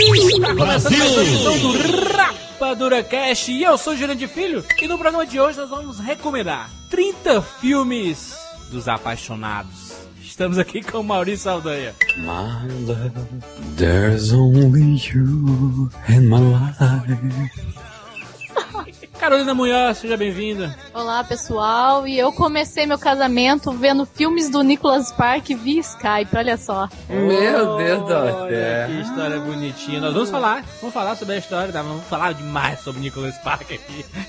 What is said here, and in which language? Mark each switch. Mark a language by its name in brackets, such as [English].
[Portuguese] Está começando mais uma edição do Rapadura Cast. E eu sou o Jurandir Filho. E no programa de hoje nós vamos recomendar 30 filmes dos apaixonados. Estamos aqui com o Maurício Aldanha. [English] My love, there's only you in my life. [Portuguese] Carolina Munhoz, seja bem-vinda. Olá, pessoal. E eu comecei meu casamento vendo filmes do Nicholas Park via Skype, olha só. Meu Deus do céu. Que história bonitinha. Nós vamos falar sobre a história, vamos falar demais sobre Nicholas Park aqui.